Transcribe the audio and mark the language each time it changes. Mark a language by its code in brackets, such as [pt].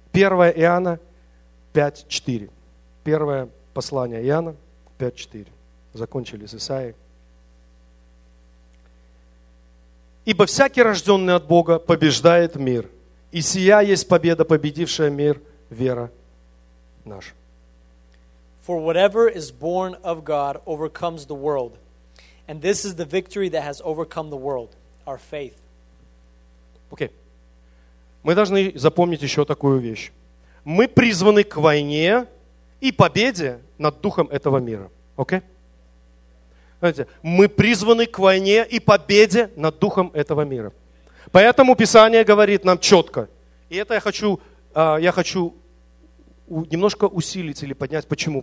[ru] 1 Иоанна 5:4. Первое послание Иоанна 5:4. Закончили с Исаией. Ибо всякий, рожденный от Бога, побеждает мир. И сия есть победа, победившая мир, вера наша. [en] For whatever is born of God overcomes the world. And this is the victory that has overcome the world, our faith. [ru] Окей. Мы должны запомнить еще такую вещь. Мы призваны к войне и победе над духом этого мира. Окей? Знаете, мы призваны к войне и победе над духом этого мира. Поэтому Писание говорит нам четко. И это я хочу немножко усилить или поднять. Почему?